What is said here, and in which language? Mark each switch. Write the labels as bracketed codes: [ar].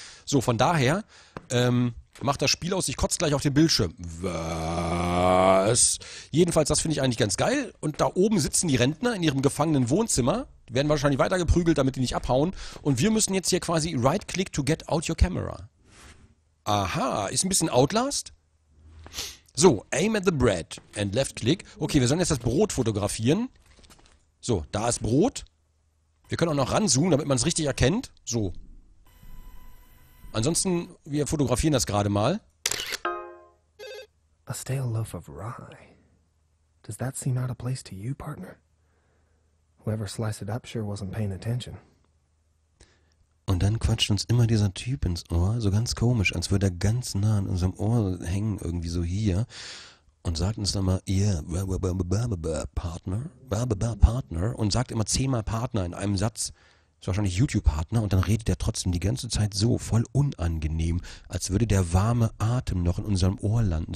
[de] So, von daher, macht das Spiel aus. Ich kotze gleich auf den Bildschirm. Was? Jedenfalls, das finde ich eigentlich ganz geil. Und da oben sitzen die Rentner in ihrem gefangenen Wohnzimmer. Die werden wahrscheinlich weitergeprügelt, damit die nicht abhauen. Und wir müssen jetzt hier quasi [en] right-click to get out your camera. [de] Aha, ist ein bisschen Outlast. [en] So, aim at the bread and left click. [de] Okay, wir sollen jetzt das Brot fotografieren. So, da ist Brot. Wir können auch noch ranzoomen, damit man es richtig erkennt. So. Ansonsten, wir fotografieren das gerade mal. [en] A stale loaf of rye. Does that seem out of place to you, partner? Whoever sliced it up sure wasn't paying attention. [de] Und dann quatscht uns immer dieser Typ ins Ohr, so ganz komisch, als würde er ganz nah an unserem Ohr hängen, irgendwie so hier. und sagt uns dann mal, Partner, und sagt immer 10-mal Partner in einem Satz. Ist wahrscheinlich YouTube-Partner, und dann redet der trotzdem die ganze Zeit so, voll unangenehm, als würde der warme Atem noch in unserem Ohr landen.